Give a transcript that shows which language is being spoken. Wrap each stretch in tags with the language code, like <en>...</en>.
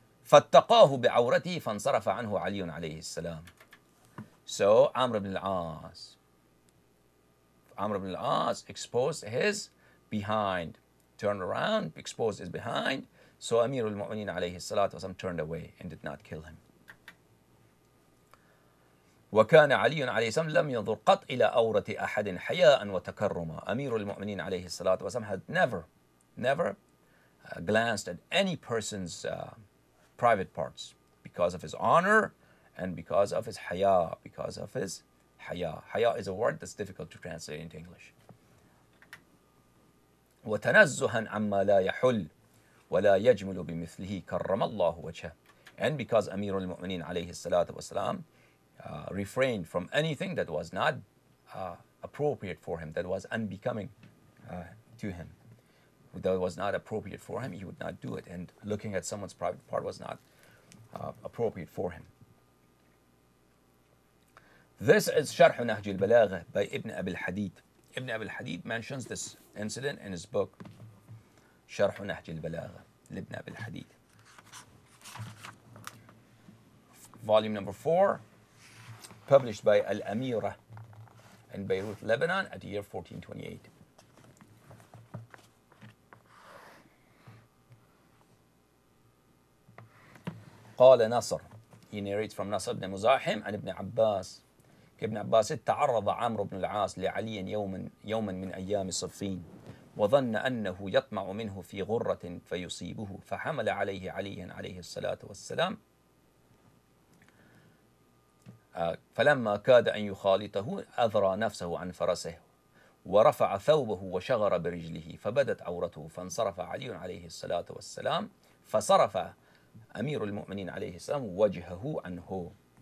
<ar>فَاتَّقَاهُ بِعَوْرَتِهِ فَانْصَرَفَ عَنْهُ عَلِيٌ عَلَيْهِ السَّلَامِ.</ar> <en>So Amr ibn al-As exposed his behind, turned around, exposed his behind. So Amir al-Mu'mineen</en> <ar>alayhi salatu wasalam</ar> <en>turned away and did not kill him.</en> <ar>وكان علي عليه السلام لم ينظر قط إلى أورة أحد حياء وتكرما. أمير المؤمنين عليه الصلاة والسلام</ar> <en>had never glanced at any person's private parts because of his honor and because of his حياء. Because of his حياء. حياء is a word that's difficult to translate into English.</en> <ar>وتنزها عما لا يحل ولا يجمل بمثله كرم الله وجهه.</ar> <en>And because</en> <ar>أمير المؤمنين عليه الصلاة والسلام</ar> <en>refrained from anything that was not appropriate for him, that was unbecoming to him. Though it was not appropriate for him, he would not do it. And looking at someone's private part was not appropriate for him. This is Sharh Nahj al-Balagha by Ibn Abi al-Hadid. Ibn Abi al-Hadid mentions this incident in his book, Sharh Nahj al-Balagha, Ibn Abi al-Hadid. Volume number 4. Published by Al-Amira in Beirut, Lebanon at the year 1428.</en> <ar>قال نصر.</ar> <en>He narrates from Nasr ibn Muzahim and Ibn Abbas. Ibn Abbas said,</en> <ar>تعرض عمرو بن العاص لعلي يوما من أيام الصفين وظن أنه يطمع منه في غرة فيصيبه فحمل عليه علي عليه الصلاة والسلام فلما كاد أن يخالطه أذرى نفسه عن فرسه ورفع ثوبه وشغر برجله فبدت عورته فانصرف علي عليه الصلاة والسلام فصرف أمير المؤمنين عليه السلام وجهه عنه.</ar>